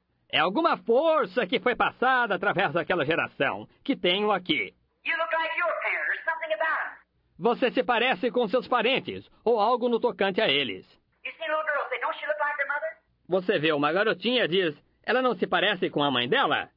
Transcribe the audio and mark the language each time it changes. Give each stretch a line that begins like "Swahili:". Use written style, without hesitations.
Portuguese: É alguma força que foi passada através daquela geração que tenho aqui.
English: You look like your parents or something about them.
Portuguese: Você se parece com seus parentes ou algo no tocante a eles.
English: You see little girls, don't she look like her mother?
Portuguese: Você vê uma garotinha e diz, ela não se parece com a mãe dela?